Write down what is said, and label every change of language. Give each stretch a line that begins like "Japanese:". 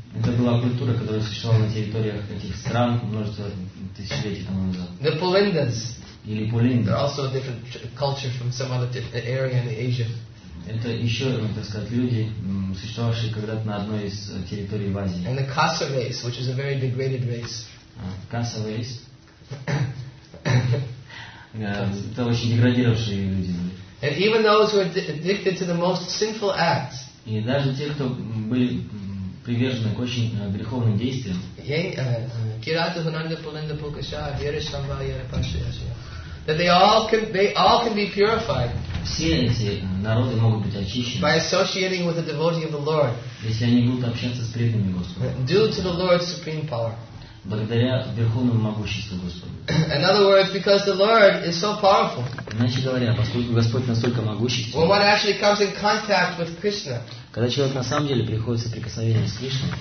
Russian: Это была культура, которая существовала на территориях этих стран множество тысячелетий тому назад.
English: The Pulindas.
Russian: Или Пулинды.
English: They're also a different culture from some other area in Asia.
Russian: Это еще, так сказать, люди, существовавшие когда-то на одной из территорий в Азии.
English: And the Khasa race, which is a very degraded race. Khasa race.
Russian: Это очень деградировавшие люди.
English: And even those who are addicted to the most sinful acts.
Russian: И даже те, кто были привержены к очень греховным действиям.
Sanskrit: Кирата хунанда пулинда пулкаша вера шамба яра паша яша.
English: That they all can be purified.
Russian: Все эти народы могут быть очищены.
English: By associating with the devotee of the Lord.
Russian: Если они будут общаться с преданными Господу.
English: Due to the Lord's supreme power.
Russian: Благодаря верховному могуществу Господа.
English: In other words, because the Lord is so powerful.
Russian: Иначе говоря, поскольку Господь настолько могущественен.
English: When one actually comes in contact with Krishna.
Russian: Когда человек на самом деле приходит в соприкосновение с Кришной.